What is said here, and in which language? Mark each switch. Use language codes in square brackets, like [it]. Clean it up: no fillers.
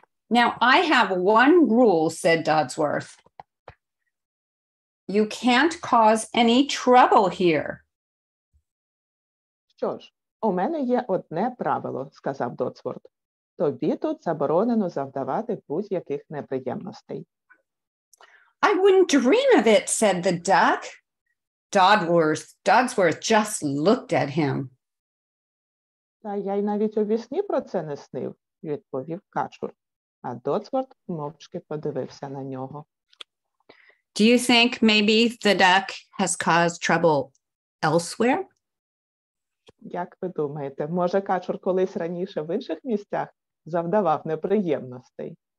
[en] Now, I have one rule, said Dodsworth. You can't cause any trouble here. [uk] Що ж, у мене є одне правило, сказав Дотсворт. Тобі тут заборонено завдавати будь-яких неприємностей. [en] I wouldn't dream of it, said the duck. Dodsworth just looked at him. [uk] Та я й навіть у вісні про це не снив, відповів качур. А Дотсворт мовчки подивився на нього. [en] Do you think maybe the duck has caused trouble elsewhere? [uk] Як ви думаєте, може качур колись раніше в інших місцях завдавав неприємностей?